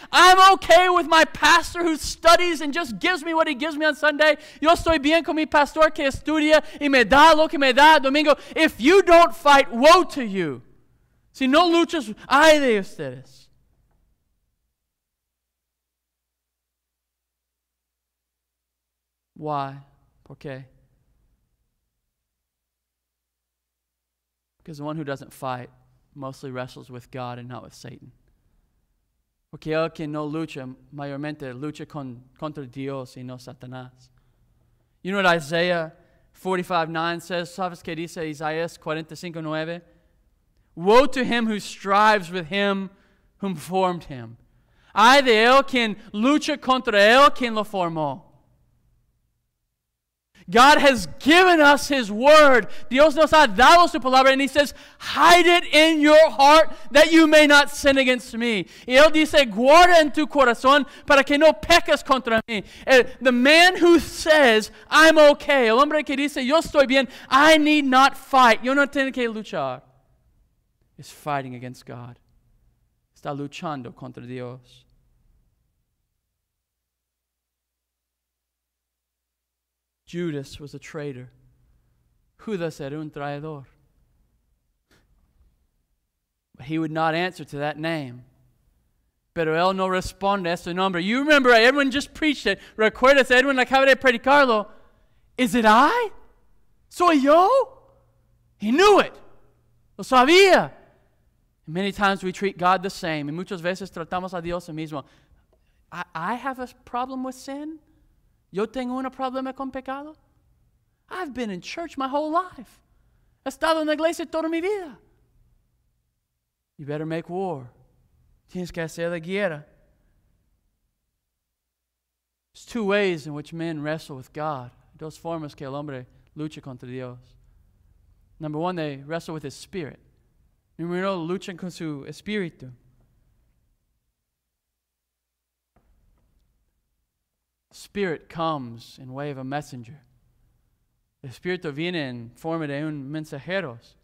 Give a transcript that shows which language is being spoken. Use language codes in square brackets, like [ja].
[en] I'm okay with my pastor who studies and just gives me what he gives me on Sunday. [es] Yo estoy bien con mi pastor que estudia y me da lo que me da domingo. [en] If you don't fight, woe to you. [es] Si no luchas, ay de ustedes. [en] Why? [es] ¿Por qué? [en] Because the one who doesn't fight mostly wrestles with God and not with Satan. [es] Porque el que no lucha, mayormente lucha contra Dios y no Satanás. [en] You know what Isaiah 45:9 says? [es] ¿Sabes qué dice Isaías 45:9? [en] Woe to him who strives with him whom formed him. [es] Ay de él quien lucha contra él quien lo formó. [en] God has given us his word. [es] Dios nos ha dado su palabra. [en] And he says, hide it in your heart that you may not sin against me. [es] Y él dice, guarda en tu corazón para que no peques contra mí. [en] The man who says, I'm okay. [es] El hombre que dice, yo estoy bien. [en] I need not fight. [es] Yo no tengo que luchar. [en] Is fighting against God. [es] Está luchando contra Dios. [en] Judas was a traitor. [es] Judas era un traidor. [en] But he would not answer to that name. [es] Pero él no responde a ese nombre. [en] You remember, Edwin just preached it. [es] Recuerdas, Edwin acaba de predicarlo. [en] Is it I? [es] Soy yo? [en] He knew it. [es] Lo sabía. [en] And many times we treat God the same. [es] Y muchas veces tratamos a Dios el mismo. [en] I have a problem with sin. [es] ¿Yo tengo un problema con pecado? [en] I've been in church my whole life. [es] He estado en la iglesia toda mi vida. [en] You better make war. [es] Tienes que hacer la guerra. [en] There's two ways in which men wrestle with God. [es] Dos formas que el hombre lucha contra Dios. [en] Number one, they wrestle with his spirit. [es] Número uno, luchan con su espíritu. [en] Spirit comes in way of a messenger. [es] El Espíritu viene en forma de un mensajero.